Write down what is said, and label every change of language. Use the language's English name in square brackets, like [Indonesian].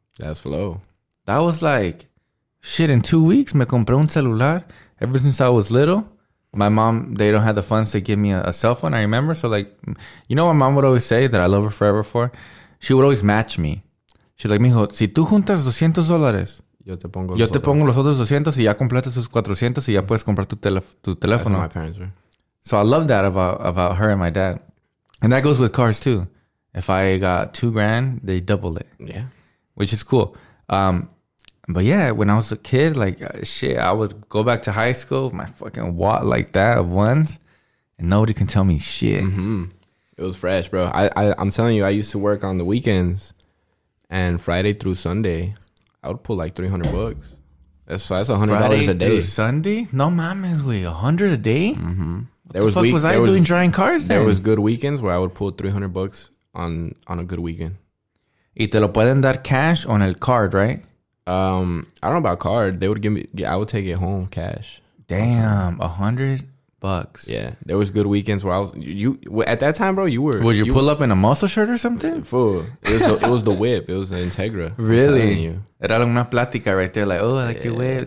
[English] That's flow. That was like, shit, in 2 weeks, [Spanish] me compré un celular [English] ever since I was little. My mom, they don't have the funds to give me a cell phone, I remember. So, like, you know what my mom would always say that I love her forever for? She would always match me. She's like, [Spanish] mijo, si tú juntas $200, yo te pongo los otros 200 y ya completas esos 400 y ya puedes comprar tu teléfono. [English] That's what my parents were. So I love that about her and my dad. And that goes with cars too. If I got $2,000, they double it. Yeah. Which is cool. But yeah, when I was a kid, like, shit, I would go back to high school with my fucking wad like that of ones, and nobody can tell me shit. Mm-hmm. It was fresh, bro. I'm telling you, I used to work on the weekends, and Friday through Sunday, I would pull like $300. That's $100 a day. Friday through Sunday? [Spanish] No mames, [English] wait, $100 a day? Mm-hmm. What the fuck was I doing drying cars then? There was good weekends where I would pull $300 on a good weekend. [Spanish] Y te lo pueden dar [English] cash on [Spanish] el [English] card, right? I don't know about card. They would give me, I would take it home cash. Damn, $100. Yeah, there was good weekends where I was, at that time, bro, would you pull up in a muscle shirt or something? Fool. It was the whip. It was the Integra. Really? [Spanish] Era una plática [English] right there. Like, oh, I like your whip.